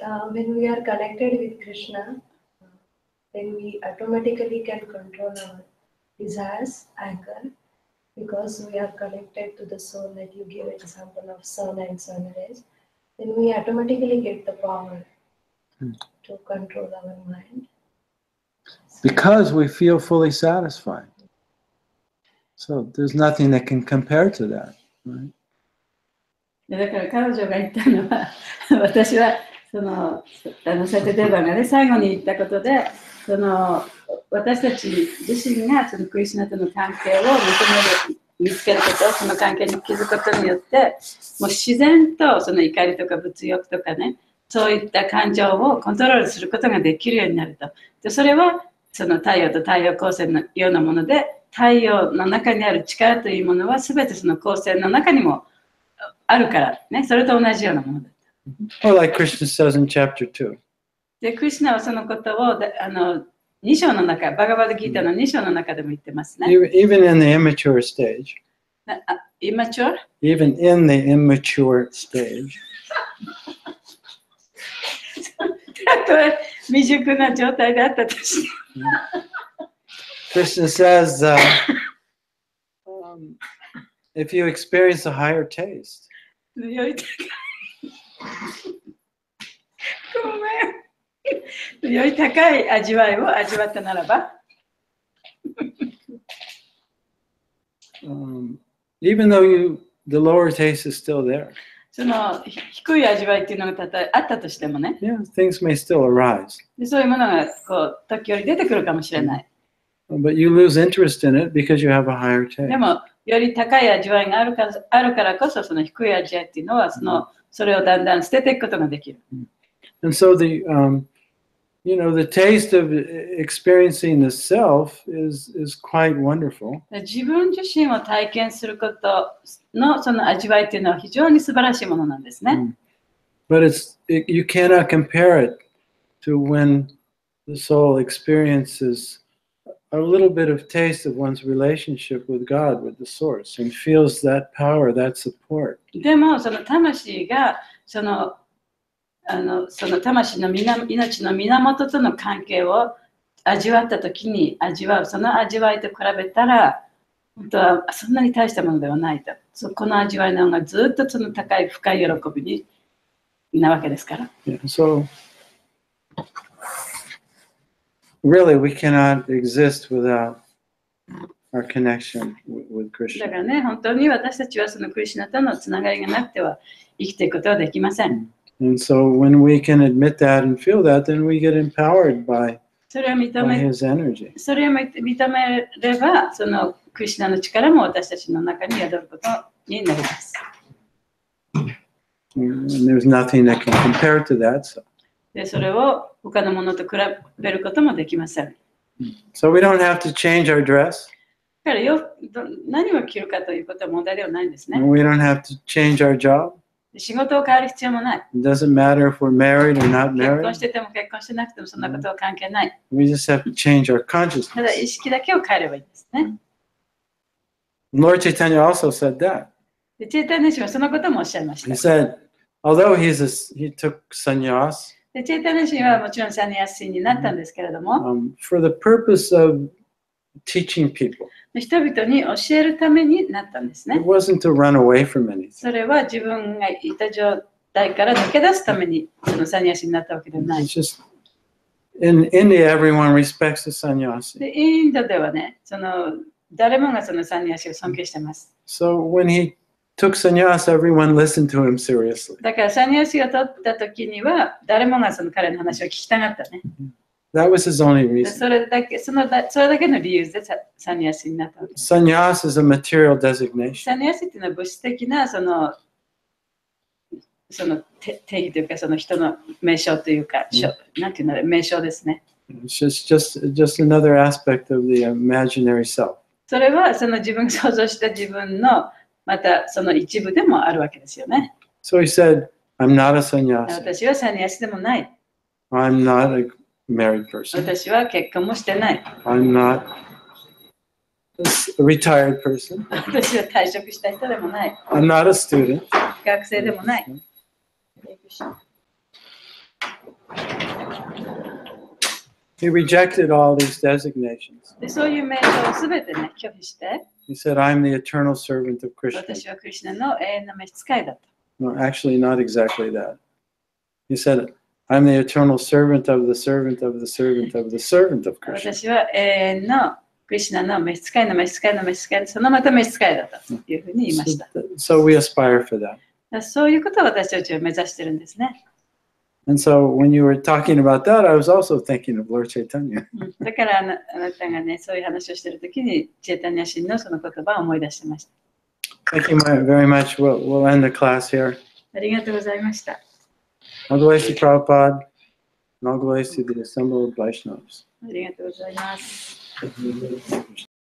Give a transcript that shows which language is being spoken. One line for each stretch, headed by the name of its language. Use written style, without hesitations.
English: When we are connected with Krishna, then we automatically can control our desires, anger, because we are connected to the soul, that you give example of sun and sun rays. Then we automatically get the power to control our mind. Because we feel fully satisfied. So there's nothing that can compare to that, right?
Japanese: だから彼女が言ったのは、私はその、サテデバがね、最後に言ったことで、その、私たち自身がそのクリシュナとの関係を求める。見つけること、その関係に気づくことによって、もう自然とその怒りとか物欲とかね、そういった感情をコントロールすることができるようになると。で、それはその太陽と太陽光線のようなもので、太陽の中にある力というものは全てその光線の中にもあるからね、それと同じようなものだと。
English: Well, like Krishna says in chapter 2.
Japanese: で、クリシュナはそのことを、2章の中、バガヴァッド・ギーターの2章の中でも言ってますね。
English: Even in the immature stage. Immature? Even in the immature stage.
Japanese: 未熟な状態であったとして。
English: Krishna says, if you experience a higher taste.
Japanese: ごめん。より高い味わいを味わったならば、
English: even though you, the lower taste is still there.
Japanese: その低い味わいっていうのがあったとしてもね。
English: Yeah, things may still arise.
Japanese: そういうものがこう時折出てくるかもしれない。
English: But you lose interest in it because you have a higher taste.
Japanese: でもより高い味わいがあるか、あるからこそその低い味わいっていうのはその、それをだんだん捨てていくことができる。
English: And so the, you know, the taste of experiencing the self is quite wonderful.
Japanese: 自分自身を体験することのその味わいっていうのは非常に素晴らしいものなんですね。
English: But it's you cannot compare it to when the soul experiences a little bit of taste of one's relationship with God, with the source, and feels that power, that support.
Japanese: でもその魂がその、あの、その魂の命の源との関係を味わったときに味わう、その味わいと比べたら、本当はそんなに大したものではないと。そこの味わいの方がずっとその高い深い喜びに、なわけですから。
English: Yeah, so, really, we cannot exist without our connection with Krishna.
Japanese: だからね、本当に私たちはそのクリシュナとのつながりがなくては生きていくことはできません。
English: And so, when we can admit that and feel that, then we get empowered by His energy.
Japanese: それを認めれば、そのクリシュナの力も私たちの中に宿ることになります。
English: And there's nothing that can compare to that. So.
Japanese: で、それを他のものと比べることもできません。
English: So we don't have to change our dress.
Japanese: だから何を着るかということは問題ではないんですね。
English: And we don't have to change our job.
Japanese: 仕事を変える必要もない。
English: It doesn't matter if we're married or not married.
Japanese: 結婚してても結婚してなくてもそんなことは関係ない。
English: We just have to change our consciousness.
Japanese: ただ意識だけを変えればいいんですね。
English: Lord Chaitanya also said that.
Japanese: でチェタネシはそのこともおっしゃいました。
English: He said, although he took sannyas,
Japanese: でチェタネシはもちろんサニアスになったんですけれども、
English: for the purpose of teaching people.
Japanese: 人々に教えるためになったんですね。
English: It wasn't to run away from anything.
Japanese: それは自分がいた状態から抜け出すためにそのサニアスになったわけではない。
English: It's just, in India, everyone respects the sannyas.
Japanese: でインドではね、その誰もがそのサニアスを尊敬してます。
English: So when heTook sannyas, everyone listened to him seriously.
Japanese: だからサニアシが取った時には誰もがその彼の話を聞きたかったね。
English: That was his only reason.
Japanese: それだけの理由でサニアシになった。
English: Sannyas is a material designation.
Japanese: サニアシっていうのは物質的なその定義というかその人の名称というか、なんていうの名称ですね。
English: It's just another aspect of the imaginary self.
Japanese: それはその自分が想像した自分のまたその一部でもあるわけですよね。
English: So he said, I'm not a sannyasi.
Japanese: 私はサニアシでもない。
English: I'm not a married person.
Japanese: 私は結婚もしてない。
English: I'm not a retired person.
Japanese: 私は退職した人でもない。
English: I'm not a student.
Japanese: 学生でもない。
English: He rejected all these designations.
Japanese: で、そういう名称をすべてね、拒否して。
English: He said, I'm the eternal servant of Krishna.
Japanese: 私はクリシュナの永遠の召使いだと。
English: No, actually not exactly that. He said, I'm the eternal servant of the servant of the servant of the servant of Krishna.
Japanese: 私は永遠のクリシュナの召使いの召使いの召使いそのまた召使いだというふうに言いました。
English: So we aspire for that.
Japanese: そういうことを私たちは目指してるんですね。
English: And so when you were talking about that, I was also thinking of Lord Chaitanya.
Japanese: だからあなたがね、そういう話をしているときに、チェタニア神のその言葉を思い出してました。
English: Thank you very much. We'll end the class here.
Japanese: ありがとうございました。
English: All glories to Prabhupada, and all glories to the assembled Vaishnavas.
Japanese: ありがとうございます。